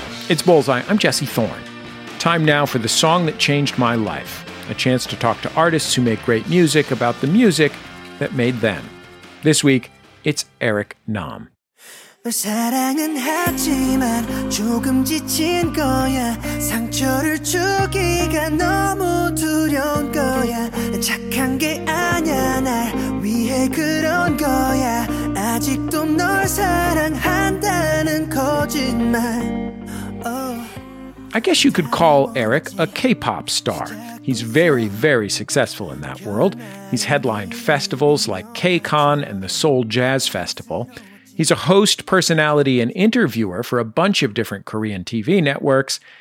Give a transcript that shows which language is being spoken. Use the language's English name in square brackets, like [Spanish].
[English] It's Bullseye. I'm Jesse Thorne. Time now for the song that changed my life. A chance to talk to artists who make great music about the music that made them. This week, it's Eric Nam. [Korean] 사랑은 하지만 조금 지친 거야 상처를 주기가 너무 두려운 거야 착한 게 아니야 날 위해 그런 거야 아직도 널 사랑한다는 거짓말 [English] I guess you could call Eric a K-pop star. He's very, very successful in that world. He's headlined festivals like KCON and the Seoul Jazz Festival. He's a host, personality, and interviewer for a bunch of different Korean TV networks.